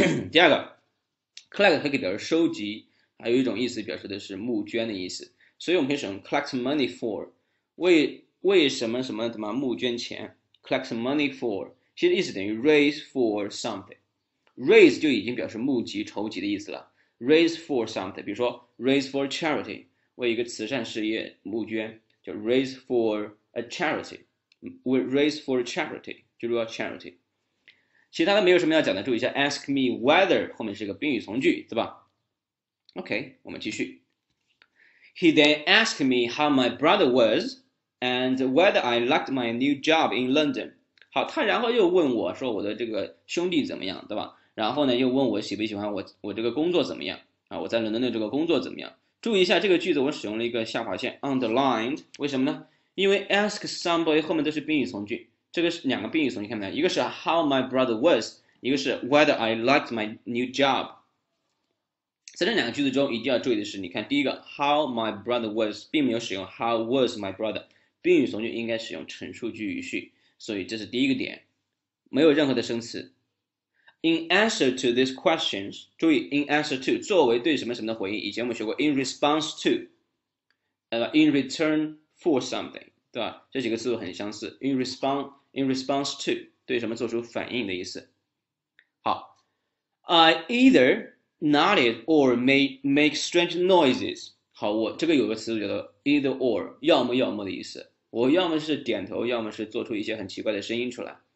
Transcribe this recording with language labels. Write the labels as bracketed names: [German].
[Chinese] 第二个 collect 可以表示收集，还有一种意思表示的是募捐的意思，所以我们可以使用 collect money for 为什么什么怎么募捐钱？Collect money for，其实意思等于 raise for something。 Raise 就已经表示募集、筹集的意思了。 Raise for something，比如说 raise for charity，为一个慈善事业募捐，就 raise for a charity。 [English] We raise for charity， [Chinese] 就是要 [English] charity。 [Chinese] 其他的没有什么要讲的，注意一下，ask me whether 后面是一个宾语从句，对吧？OK，我们继续。 [English] He then asked me how my brother was。 And whether I liked my new job in London。 [Chinese] 好，他然后又问我说我的这个兄弟怎么样，对吧？然后呢又问我喜不喜欢我这个工作怎么样啊？我在伦敦的这个工作怎么样？注意一下这个句子，我使用了一个下划线 underlined，为什么呢？因为 ask somebody 后面都是宾语从句，这个是两个宾语从句，看不看？一个是 [English] how my brother was， [Chinese] 一个是 [English] whether I liked my new job。 [Chinese] 在这两个句子中，一定要注意的是，你看第一个 [English] how my brother was， [Chinese] 并没有使用 [English] how was my brother。 [Chinese] 宾语从句应该使用陈述句语序，所以这是第一个点，没有任何的生词。 In answer to these questions，注意 in answer to 作为对什么什么的回应，以前我们学过 in response to，in return for something，对吧？这几个词组很相似。 In response to 对什么做出反应的意思。 [English] 好，I either nodded or made strange noises。 [Chinese] 好，我这个有个词组叫做 either or，要么的意思。我要么是点头，要么是做出一些很奇怪的声音出来。